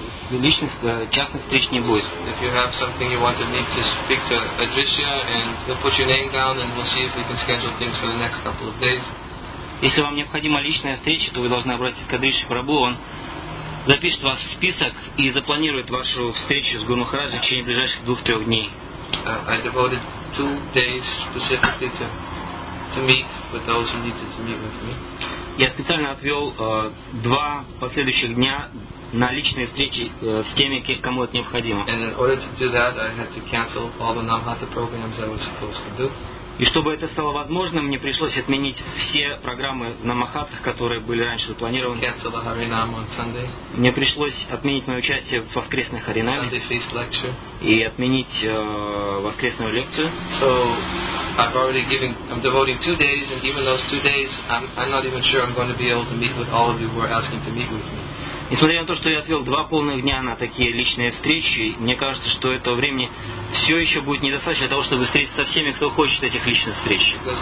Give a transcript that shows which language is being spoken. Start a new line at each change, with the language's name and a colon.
Russian: Личных частных встреч не будет.
English: If you have something you want to meet, just speak to Adrisha and he'll put your name down and we'll see if we can schedule things for the next couple of days.
Russian: Если вам необходима личная встреча, то вы должны обратиться к Адрише Прабу, он запишет вас в список и запланирует вашу встречу с Гуру Махараджем в течение ближайших 2-3 дней.
English: I devoted 2 days specifically to meet with those who needed to meet with me.
Russian: Я специально отвел 2 последующих дня на личные встречи с теми, кому это необходимо.
English: And in order to do that, I had to cancel all the Namhata programs I was supposed to do.
Russian: И чтобы это стало возможным, мне пришлось отменить все программы на Махатах, которые были раньше запланированы. Мне пришлось отменить мое участие в воскресной Харинаме и отменить воскресную лекцию.
English: So I've already given, I'm devoting 2 days, and even those 2 days, I'm not even sure I'm going to be able to meet with all of you who are asking to meet with me.
Russian: Несмотря на то, что я отвел 2 полных дня на такие личные встречи, мне кажется, что этого времени все еще будет недостаточно для того, чтобы встретиться со всеми, кто хочет этих личных встреч.